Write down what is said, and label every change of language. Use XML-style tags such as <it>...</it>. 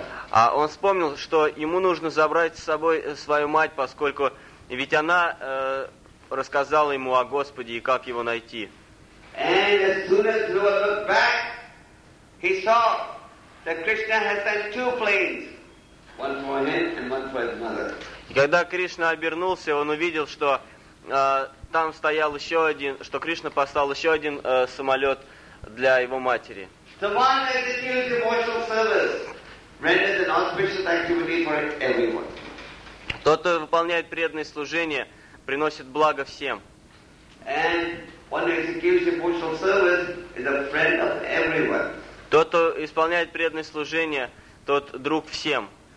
<ru>А он вспомнил, что ему нужно забрать с собой свою мать, поскольку ведь она рассказала ему о Господе и как его найти.</ru> <en>And as soon as he looked back, he saw that Krishna has sent two planes, one for him and one for his mother.</en> <ru>И когда Кришна обернулся, он увидел, что там стоял еще один, что Кришна послал еще один самолет для его матери.</ru> <en>The one that is in devotional service renders an auspicious activity for everyone.</en> <ru>Тот, кто выполняет преданное служение, приносит благо всем.</ru> <en>And one who gives devotional service is a friend of everyone.</en> <ru>Тот, кто исполняет преданное служение, тот друг всем.</ru>